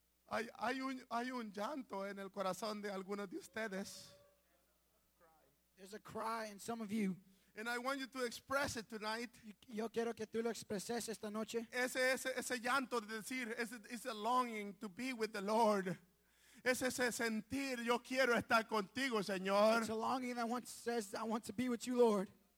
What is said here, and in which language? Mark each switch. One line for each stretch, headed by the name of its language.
Spanish: Hay un llanto en el corazón de algunos de ustedes.
English: There's a cry in some of you. And I want you to express it tonight.
Spanish: Yo quiero que tú lo expreses esta noche. Ese llanto de decir,
English: it's a longing to be with the Lord.
Spanish: Es ese sentir, yo quiero estar contigo, Señor.
English: It's a longing that once says, I want to be with you, Lord.